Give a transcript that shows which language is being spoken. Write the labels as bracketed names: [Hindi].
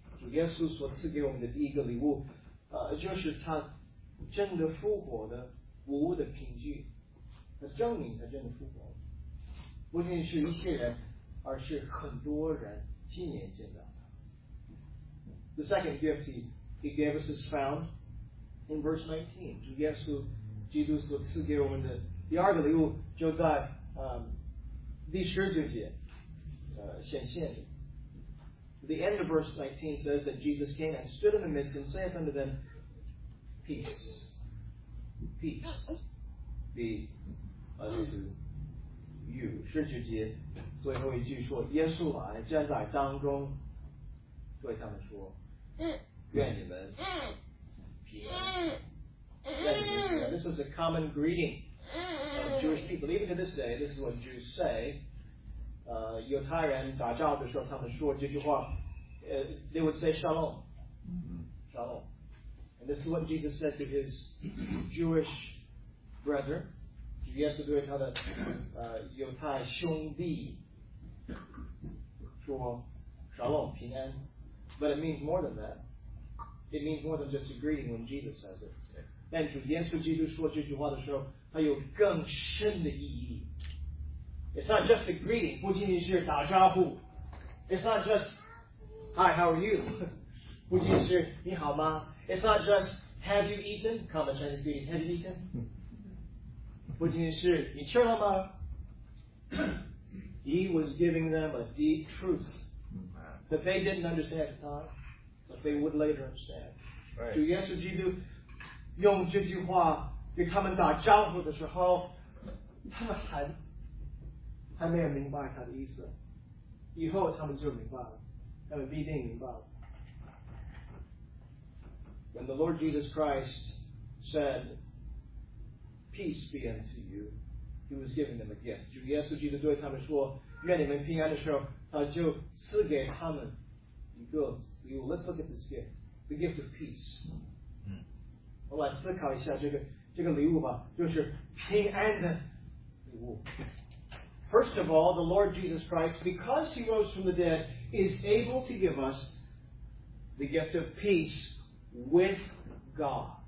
[Chinese] 耶稣所赐给我们的第一个礼物就是他真的复活的无误的凭据，他证明他真的复活。不仅是一些人，而是很多人亲眼见到他。 [English] The second gift he gave us is found in verse 19. [Chinese] 主耶稣基督所赐给我们的第二个礼物就在第十九节显现。 [English] The end of verse 19 says that Jesus came and stood in the midst and saith unto them, Peace, peace be unto you. [Chinese] 十九节最后一句说耶稣来站在当中对他们说愿你们平安。 [English] This was a common greeting of Jewish people. Even to this day, this is what Jews say. [Chinese] 犹太人打仗的时候他们说这句话 [English] they would say Shalom. Shalom. And this is what Jesus said to his Jewish brethren. [Chinese] 耶稣对他的犹太兄弟说 Shalom, 平安。 [English] But it means more than that. It means more than just a greeting when Jesus says it. [Chinese] 但主耶稣基督说这句话的时候它有更深的意义。 [English] It's not just a greeting, [Chinese] 不仅仅是打招呼。 [English] It's not just Hi, how are you? [Chinese] 不仅仅是你好吗。 [English] It's not just Have you eaten? Common Chinese greeting, Have you eaten? [Chinese] 不仅是你吃了吗 [English] He was giving them a deep truth that they didn't understand at the time, but they would later understand. Right. [Chinese] 主耶稣基督用这句话给他们打招呼的时候他们还没有明白他的意思。以后他们就明白了，他们必定明白了。 [English] When the Lord Jesus Christ said,Peace be unto you. He was giving them a gift. [Chinese] 主耶稣基督对他们说愿你们平安的时候他就赐给他们一个礼物。 [English] Let's look at this gift. The gift of peace. [Chinese] 我来思考一下这个礼物吧，就是平安的礼物。 [English] First of all, the Lord Jesus Christ, because he rose from the dead, is able to give us the gift of peace with God.